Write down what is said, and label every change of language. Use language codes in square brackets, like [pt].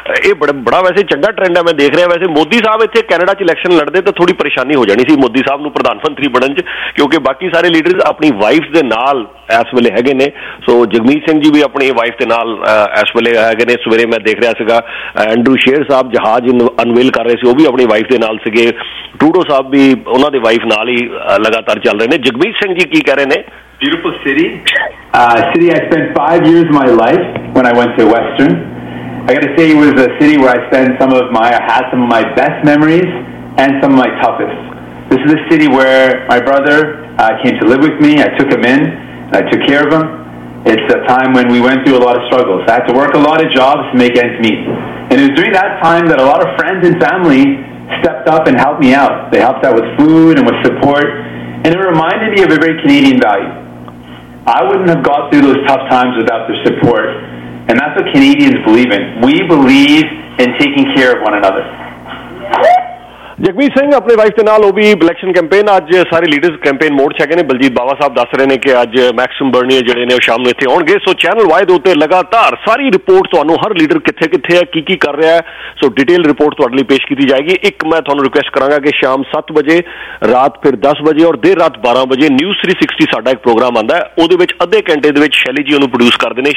[pa] ਇਹ ਬੜਾ ਵੈਸੇ ਚੰਗਾ ਟ੍ਰੈਂਡ ਹੈ ਮੈਂ ਦੇਖ ਰਿਹਾ, ਵੈਸੇ ਮੋਦੀ ਸਾਹਿਬ ਇੱਥੇ ਕੈਨੇਡਾ 'ਚ ਇਲੈਕਸ਼ਨ ਲੜਦੇ ਤਾਂ ਥੋੜ੍ਹੀ ਪਰੇਸ਼ਾਨੀ ਹੋ ਜਾਣੀ ਸੀ ਮੋਦੀ ਸਾਹਿਬ ਨੂੰ ਪ੍ਰਧਾਨ ਮੰਤਰੀ ਬਣਨ 'ਚ, ਕਿਉਂਕਿ ਬਾਕੀ ਸਾਰੇ ਲੀਡਰਸ ਆਪਣੀ ਵਾਈਫਸ ਦੇ ਨਾਲ ਇਸ ਵੇਲੇ ਹੈਗੇ ਨੇ. ਸੋ ਜਗਮੀਤ ਸਿੰਘ ਜੀ ਵੀ ਆਪਣੀ ਵਾਈਫ ਦੇ ਨਾਲ ਇਸ ਵੇਲੇ ਹੈਗੇ ਨੇ. ਸਵੇਰੇ ਮੈਂ ਦੇਖ ਰਿਹਾ ਸੀਗਾ ਐਂਡਰੂ ਸ਼ੇਰ ਸਾਹਿਬ ਜਹਾਜ਼ ਅਨਵੇਲ ਕਰ ਰਹੇ ਸੀ, ਉਹ ਵੀ ਆਪਣੀ ਵਾਈਫ ਦੇ ਨਾਲ ਸੀਗੇ. ਟਰੂਡੋ ਸਾਹਿਬ ਵੀ ਉਹਨਾਂ ਦੇ ਵਾਈਫ ਨਾਲ ਹੀ ਲਗਾਤਾਰ ਚੱਲ ਰਹੇ ਨੇ. ਜਗਮੀਤ ਸਿੰਘ ਜੀ ਕੀ ਕਹਿ ਰਹੇ ਨੇ? [en] Beautiful city. City I spent 5 years of my life when I went to Western. I got to say it was a city where I spent some of my, I had some of my best memories and some of my toughest. This is a city where my brother came to live with me. I took him in. And I took care of him. It's a time when we went through a lot of struggles. I had to work a lot of jobs to make ends meet. And it was during that time that a lot of friends and family stepped up and helped me out. They helped out with food and with support. And it reminded me of a very Canadian value. I wouldn't have got through those tough times without their support. And that's what Canadians believe in. We believe in taking care of one another. [pa] Jagmeet Singh ਆਪਣੇ wife ਦੇ ਨਾਲ, ਉਹ ਵੀ election campaign, ਅੱਜ ਸਾਰੇ leaders campaign mode 'ਚ ਹੈਗੇ ਨੇ. ਬਲਜੀਤ ਬਾਵਾ ਸਾਹਿਬ ਦੱਸ ਰਹੇ ਨੇ ਕਿ ਅੱਜ ਮੈਕਸਿਮ ਬਰਨੀਅਰ ਜਿਹੜੇ ਨੇ ਉਹ ਸ਼ਾਮ ਨੂੰ ਇੱਥੇ ਆਉਣਗੇ. ਸੋ ਚੈਨਲ ਵਾਈ ਦੇ ਉੱਤੇ ਲਗਾਤਾਰ ਸਾਰੀ ਰਿਪੋਰਟ ਤੁਹਾਨੂੰ ਹਰ ਲੀਡਰ ਕਿੱਥੇ ਕਿੱਥੇ ਹੈ, ਕੀ ਕਰ ਰਿਹਾ, ਸੋ ਡਿਟੇਲ ਰਿਪੋਰਟ ਤੁਹਾਡੇ ਲਈ ਪੇਸ਼ ਕੀਤੀ ਜਾਏਗੀ. ਇੱਕ ਮੈਂ ਤੁਹਾਨੂੰ ਰਿਕੁਐਸਟ ਕਰਾਂਗਾ ਕਿ ਸ਼ਾਮ 7 ਵਜੇ, ਰਾਤ ਫਿਰ 10 ਵਜੇ ਔਰ ਦੇਰ ਰਾਤ 12 ਵਜੇ ਨਿਊਜ਼ 360 ਸਾਡਾ ਇੱਕ ਪ੍ਰੋਗਰਾਮ ਆਉਂਦਾ, ਉਹਦੇ ਵਿੱਚ ਅੱਧੇ ਘੰਟੇ ਦੇ ਵਿੱਚ ਸ਼ੈਲੀ ਜੀ ਉਹਨੂੰ ਪ੍ਰੋਡਿਊਸ ਕਰਦੇ ਨੇ.